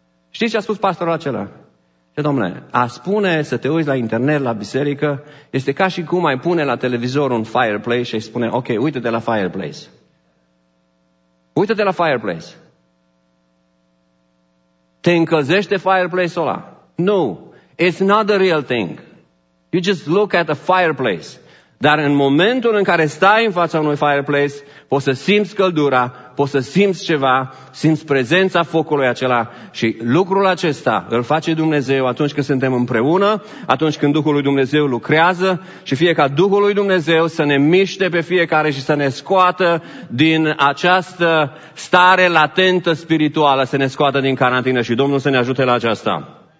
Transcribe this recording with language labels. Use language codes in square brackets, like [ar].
[ro] Știți ce a spus pastorul acela? Ce, domnule, a spune să te uiți la internet, la biserică, este ca și cum ai pune la televizor un fireplace și ai spune, ok, uite-te la fireplace. Uite-te la fireplace. Te încălzește fireplace-ul ăla? Nu. [en] It's not the real thing. You just look at the fireplace. [ro] Dar în momentul în care stai în fața unui fireplace, poți să simți căldura, poți să simți ceva, simți prezența focului acela și lucrul acesta îl face Dumnezeu atunci când suntem împreună, atunci când Duhul lui Dumnezeu lucrează și fie ca Duhul lui Dumnezeu să ne miște pe fiecare și să ne scoată din această stare latentă spirituală, să ne scoată din carantină și Domnul să ne ajute la aceasta.